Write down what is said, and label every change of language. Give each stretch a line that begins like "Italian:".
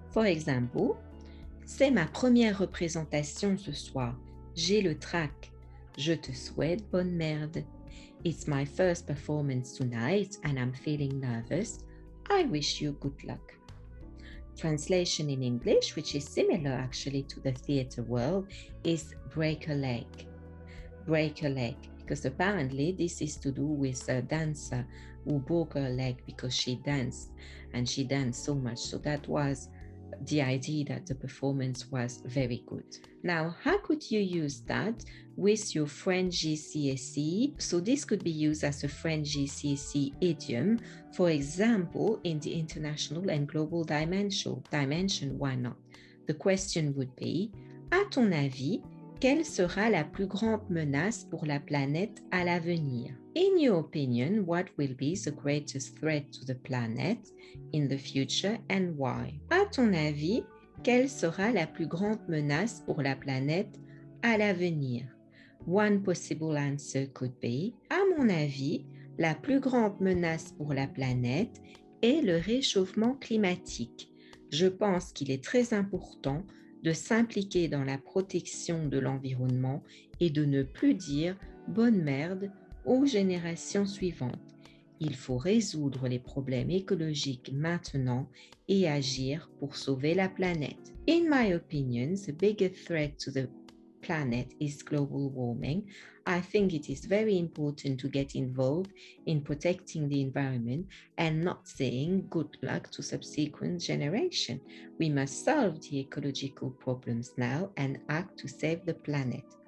English: For example,
French: c'est ma première représentation ce soir. J'ai le trac. Je te souhaite bonne merde.
English: It's my first performance tonight and I'm feeling nervous. I wish you good luck. Translation in English, which is similar actually to the theater world, is break a leg. Break a leg, because apparently this is to do with a dancer who broke her leg because she danced, and she danced so much. So that was the idea that the performance was very good. Now, how could you use that with your French GCSE? So this could be used as a French GCSE idiom, for example, in the international and global dimension, why not? The question would be,
French: à ton avis, quelle sera la plus grande menace pour la planète à l'avenir?
English: In your opinion, what will be the greatest threat to the planet in the future and why?
French: À ton avis, quelle sera la plus grande menace pour la planète à l'avenir?
English: One possible answer could be,
French: à mon avis, la plus grande menace pour la planète est le réchauffement climatique. Je pense qu'il est très important de s'impliquer dans la protection de l'environnement et de ne plus dire « bonne merde » aux générations suivantes. Il faut résoudre les problèmes écologiques maintenant et agir pour sauver la planète.
English: In my opinion, the biggest threat to the planet is global warming. I think it is very important to get involved in protecting the environment and not saying good luck to subsequent generations. We must solve the ecological problems now and act to save the planet.